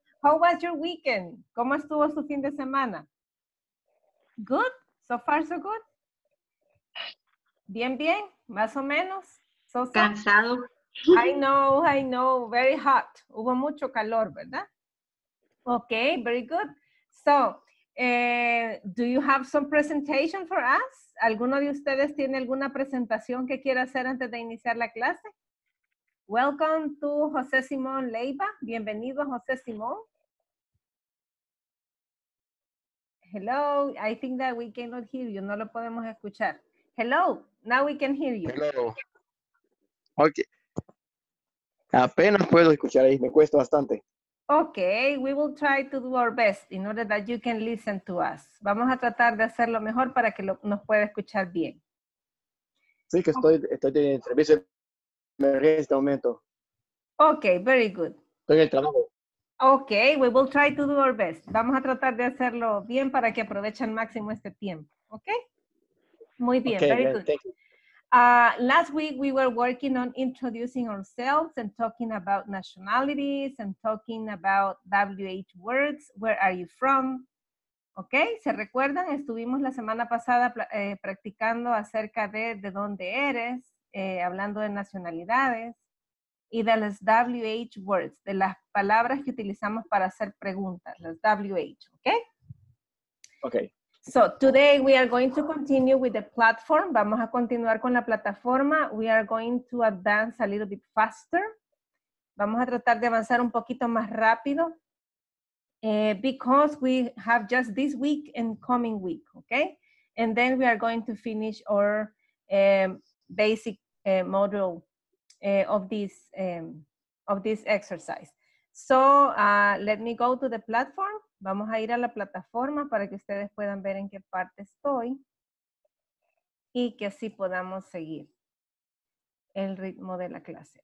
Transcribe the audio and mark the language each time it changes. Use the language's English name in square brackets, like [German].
[English] How was your weekend? ¿Cómo estuvo su fin de semana? Good. So far, so good. Bien, bien. Más o menos. So, so. [Spanish] Cansado. [English] I know, very hot. Hubo mucho calor, ¿verdad? Okay, very good. So, do you have some presentation for us? [Spanish] ¿Alguno de ustedes tiene alguna presentación que quiera hacer antes de iniciar la clase? [English] Welcome to José Simón Leiva. Bienvenido, José Simón. Hello, I think that we cannot hear you. No lo podemos escuchar. Hello, now we can hear you. [Spanish] Hello. Okay. Apenas puedo escuchar ahí, me cuesta bastante. [English] Okay, we will try to do our best in order that you can listen to us. [Spanish] Vamos a tratar de hacer lo mejor para que nos pueda escuchar bien. Sí, que estoy de servicio en este momento. [English] Okay, very good. [Spanish] Estoy en el trabajo. [English] Okay, we will try to do our best. [Spanish] Vamos a tratar de hacerlo bien para que aprovechen máximo este tiempo. Okay? Muy bien, okay, [English] very yeah, good. Thank you. Last week, we were working on introducing ourselves and talking about nationalities and talking about WH words. Where are you from? Okay, ¿se recuerdan? [Spanish] Estuvimos la semana pasada practicando acerca de dónde eres, hablando de nacionalidades y de las WH words, de las palabras que utilizamos para hacer preguntas, las WH, okay? Okay. [English] So, today we are going to continue with the platform. Vamos a continuar con la plataforma. We are going to advance a little bit faster. [Spanish] Vamos a tratar de avanzar un poquito más rápido. [English] Because we have just this week and coming week, okay? And then we are going to finish our basic module of this exercise. So, let me go to the platform. [Spanish] Vamos a ir a la plataforma para que ustedes puedan ver en qué parte estoy y que así podamos seguir el ritmo de la clase.